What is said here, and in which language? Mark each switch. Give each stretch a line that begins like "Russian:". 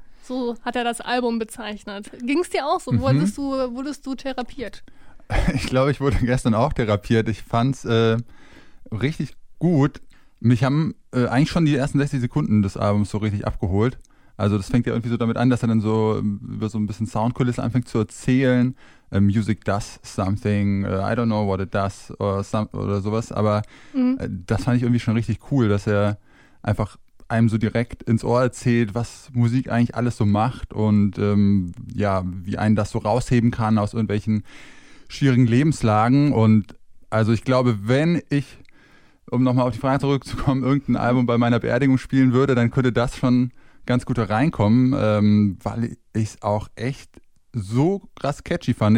German: So hat er das Album bezeichnet. Ging es dir auch so? Mhm. Wurdest du therapiert? Ich glaube, ich wurde gestern auch therapiert. Ich fand es richtig gut. Mich haben eigentlich schon die ersten 60 Sekunden des Albums so richtig abgeholt. Also das fängt ja irgendwie so damit an, dass er dann so über so ein bisschen Soundkulisse anfängt zu erzählen.
English: Music does something, I don't know what it does
German: oder sowas. Aber das fand ich irgendwie schon richtig cool, dass er einfach einem so direkt ins Ohr erzählt, was Musik eigentlich alles so macht und ja, wie einen das so rausheben kann aus irgendwelchen schwierigen Lebenslagen. Und also ich glaube, wenn ich, um nochmal auf die Frage zurückzukommen, irgendein Album bei meiner Beerdigung spielen würde, dann könnte das schon ganz gut da reinkommen, weil ich es auch echt so krass catchy fand.